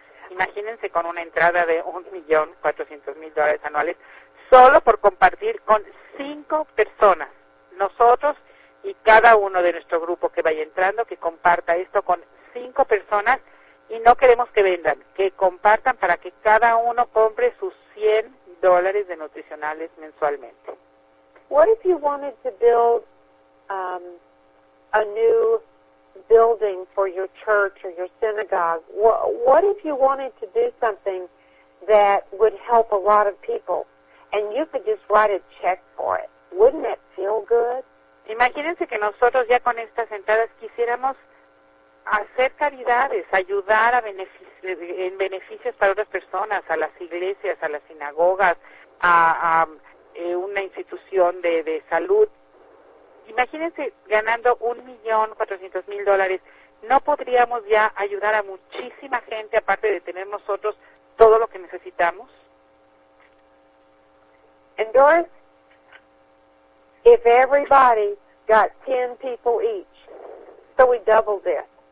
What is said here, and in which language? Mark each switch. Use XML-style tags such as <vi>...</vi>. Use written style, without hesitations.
<es>Imagínense con una entrada de $1,400,000 anuales solo por compartir con cinco personas. Nosotros y cada uno de nuestro grupo que vaya entrando, que comparta esto con cinco personas. Y no queremos que vendan, que compartan para que cada uno compre sus $100 de nutricionales mensualmente.</es> <en>What if you wanted to build a new building for your church or your synagogue? What if you wanted to do something that would help a lot of people and you could just write a check for it? Wouldn't that feel good?</en> <es>Imagínense que nosotros ya con estas entradas quisiéramos hacer caridades, ayudar a beneficios para otras personas, a las iglesias, a las sinagogas, una institución de salud. Imagínense ganando $1,400,000. ¿No podríamos ya ayudar a muchísima gente aparte de tener nosotros todo lo que necesitamos?</es> <en>And Doris, if everybody got 10 people each, so we doubled it.</en>